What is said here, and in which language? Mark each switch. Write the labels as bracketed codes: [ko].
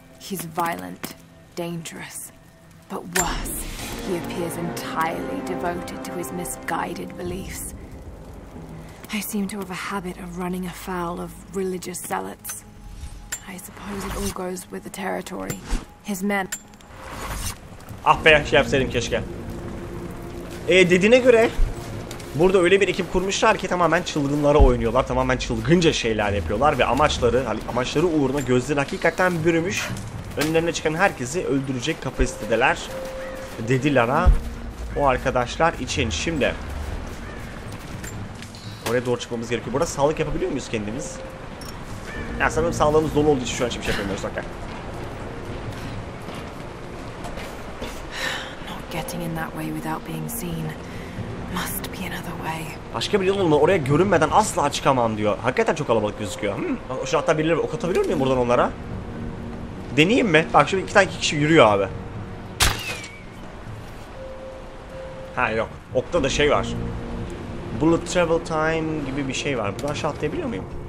[en] He's violent, dangerous, but worse, he appears entirely devoted to his misguided beliefs. I seem to have a habit of running afoul of religious zealots. I suppose it all goes with the territory. His men. [tr] Ah be, şey yapsaydım keşke. Dediğine göre burada öyle bir ekip kurmuşlar ki tamamen çılgınlara oynuyorlar, tamamen çılgınca şeyler yapıyorlar ve amaçları uğruna gözleri hakikaten bürümüş. Önlerine çıkan herkesi öldürecek kapasitedeler dedi Lara o arkadaşlar için. Şimdi oraya doğru çıkmamız gerekiyor. Burada sağlık yapabiliyor muyuz kendimiz? Ya sanırım sağlığımız dolu olduğu için şu an hiçbir şey yapamıyoruz. [en] Okay. Not getting in that way without being seen. Must be another way. [tr] Başka bir yol olma, oraya görünmeden asla çıkamam diyor. Hakikaten çok kalabalık gözüküyor. Şu hatta birileri ok atabiliyor muyum buradan onlara? Deneyeyim mi? Bak şimdi iki tane kişi yürüyor abi. Ha yok. Okta da şey var. [en] Bullet travel time [tr] gibi bir şey var. Buradan aşağı atlayabiliyor muyum?